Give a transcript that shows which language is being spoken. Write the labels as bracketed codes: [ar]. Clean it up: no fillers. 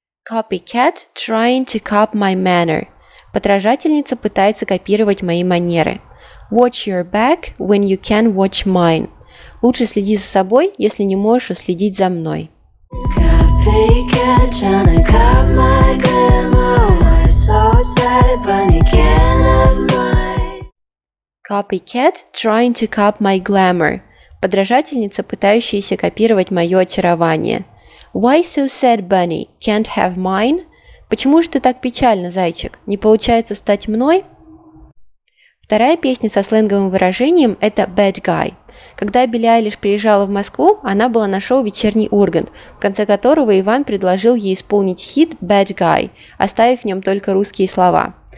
[en] Copycat trying to cop my manner. [ru] Подражательница пытается копировать мои манеры. [en] Watch your back when you can watch mine. [ru] Лучше следи за собой, если не можешь уследить за мной. [en] Copycat trying to cop my glamour. [ru] Подражательница, пытающаяся копировать мое очарование. [en] Why so sad, bunny? Can't have mine? [ru] Почему же ты так печально, зайчик? Не получается стать мной? Вторая песня со сленговым выражением – это bad guy. Когда Билли Айлиш приезжала в Москву, она была на шоу «Вечерний Ургант», в конце которого Иван предложил ей исполнить хит bad guy, оставив в нем только русские слова.